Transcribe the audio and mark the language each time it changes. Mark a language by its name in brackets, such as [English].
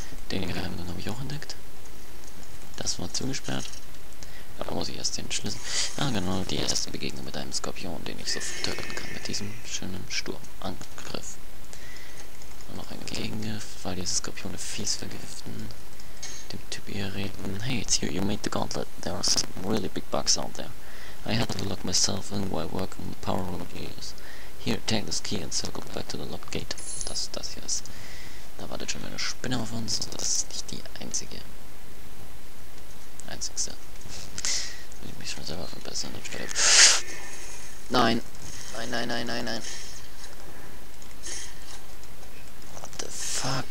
[German] Den Geheimgang habe ich auch entdeckt. Das war zugesperrt. Da muss ich erst den Schlüssel. Ah, genau, die erste Begegnung mit einem Skorpion, den ich sofort töten kann. Mit diesem schönen Sturmangriff. Und noch ein Gegengriff, weil diese Skorpione fies vergiften. Dem Typ hier reden. [English] Hey, it's you, you made the gauntlet. There are some really big bugs out there. I had to lock myself in while working on the power room gears. Here, take this key and circle back to the locked gate. [German] Das hier ist. Da wartet schon eine Spinne auf uns und das ist nicht die einzigste. Will ich mich schon selber verbessern anstelle. Nein. [English] What the fuck?